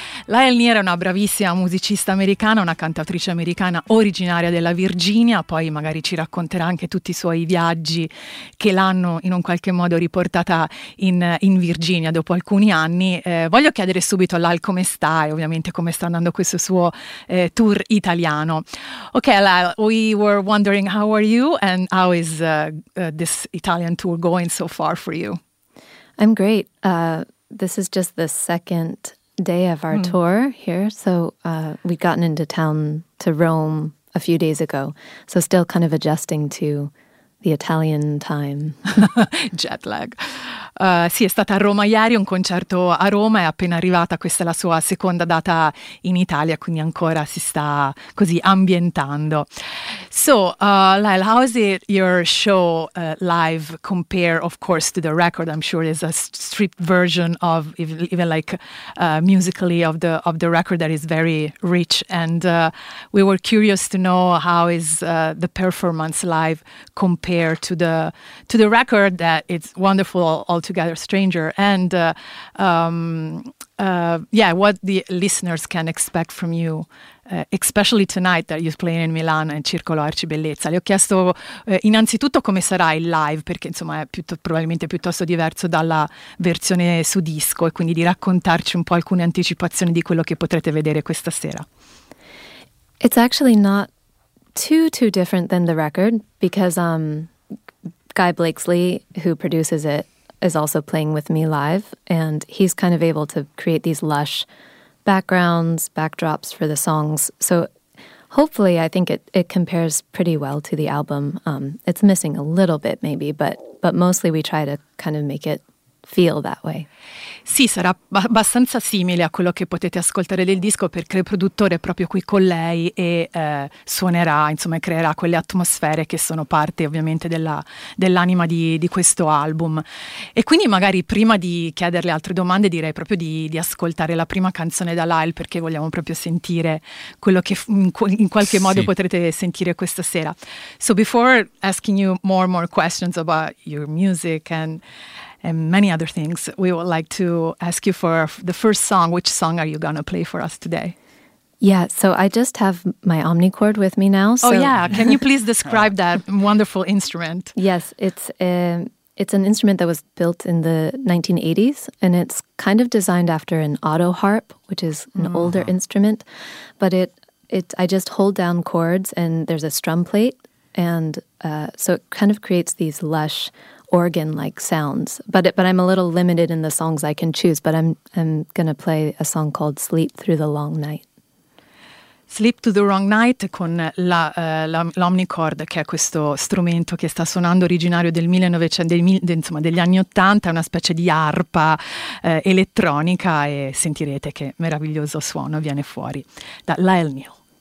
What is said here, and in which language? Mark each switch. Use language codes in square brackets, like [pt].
[it] Lyle Neal è una bravissima musicista americana, una cantautrice americana originaria della Virginia, poi magari ci racconterà anche tutti i suoi viaggi che l'hanno in un qualche modo riportata in Virginia dopo alcuni anni. Voglio chiedere subito a Lyle come sta e ovviamente come sta andando questo suo tour italiano. [en] Ok, Lyle, we were wondering how are you and how is this Italian tour going so far for you? I'm great. This is just the second day of our tour here. So we'd gotten into town to Rome a few days ago. So still kind of adjusting to the Italian time. Jet lag. [it] Sì, è stata a Roma ieri, un concerto a Roma, è appena arrivata, questa è la sua seconda data in Italia, quindi ancora si sta così ambientando. [en] So, Lyle, how is it your show live compare, of course, to the record? I'm sure there's a stripped version of, even like musically, of the record that is very rich. And we were curious to know how is the performance live compare to the record, that it's wonderful altogether, Stranger, and what the listeners can expect from you, especially tonight that you're playing in Milan and Circolo Arcibellezza. [it] Le ho chiesto innanzitutto come sarà il live, perché insomma è probabilmente piuttosto diverso dalla versione su disco, e quindi di raccontarci un po' alcune anticipazioni di quello che potrete vedere questa sera. [en] It's actually not too different than the record, because Guy Blakeslee, who produces it, is also playing with me live, and he's kind of able to create these lush backgrounds, backdrops for the songs. So hopefully I think it compares pretty well to the album. It's missing a little bit maybe, but mostly we try to kind of make it feel that way. [it] Sì, sarà abbastanza simile a quello che potete ascoltare del disco, perché il produttore è proprio qui con lei e suonerà, insomma, creerà quelle atmosfere che sono parte ovviamente dell'anima di questo album. E quindi magari prima di chiederle altre domande, direi proprio di ascoltare la prima canzone da Lyle, perché vogliamo proprio sentire quello che in qualche modo potrete sentire questa sera. [en] So before asking you more questions about your music and many other things, we would like to ask you for the first song. Which song are you going to play for us today? Yeah, so I just have my Omnichord with me now. So. Oh yeah, can you please describe that wonderful instrument? Yes, it's an instrument that was built in the 1980s, and it's kind of designed after an auto harp, which is an older instrument. But I just hold down chords, and there's a strum plate, and so it kind of creates these lush organ-like sounds, but I'm a little limited in the songs I can choose, but I'm gonna play a song called Sleep Through the Long Night. [it] Sleep Through the Long Night, con l'Omnichord, che è questo strumento che sta suonando, originario del 1900, insomma degli anni 80, è una specie di arpa elettronica, e sentirete che meraviglioso suono viene fuori da Lyle Neal.